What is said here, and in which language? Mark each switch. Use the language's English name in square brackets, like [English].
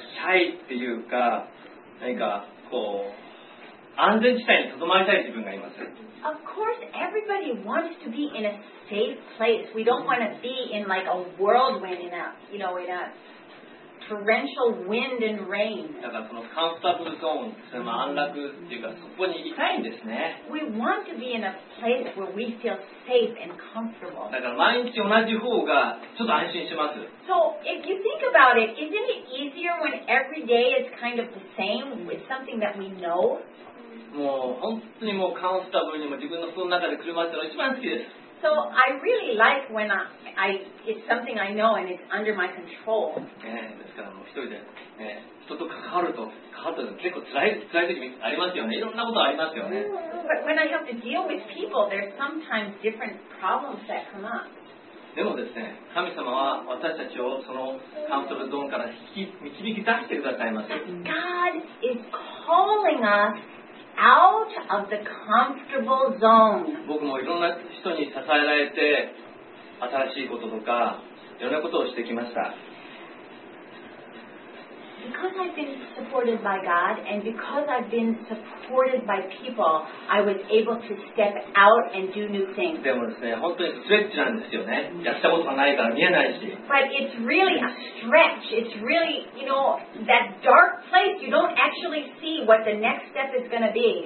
[Japanese] はいっていうか、何かこう安全地帯にとどまりたい自分がいます。 [English] Of course, everybody wants to be in a safe place. We don't want to be in like a whirlwind, in a, you know, in a torrential wind and rain. [Japanese] だからそのコンフォータブルゾーン、それも安楽っていうかそこにいたいんですね。 [English] We want to be in a place where we feel safe and comfortable. [Japanese] だから毎日同じ方がちょっと安心します。 [English] So if you think about it, isn't it easier when every day is kind of the same with something that we know? [Japanese] もう本当にもうコンフォータブルにも自分のその中で車っていうのが一番好きです。 [English] So I really like when I it's something I know and it's under my control. [Japanese] ですからもう一人で、人と関わると結構辛い時ありますよね。いろんなことありますよね。 [English] But when I have to deal with people, there's sometimes different problems that come up. [Japanese] でもですね、神様は私たちをそのカウントルゾーンから導き出してくださいます。 [English] God is calling us. Out of the comfortable zone. [Japanese] 僕もいろんな人に支えられて新しいこととかいろんなことをしてきました。 [English] Because I've been supported by God and because I've been supported by people, I was able to step out and do new things. [Japanese] でもですね、本当にストレッチなんですよね。やったことがないから見えないし。 [English] But it's really a stretch. It's really, you know, that dark place. You don't actually see what the next step is going to be.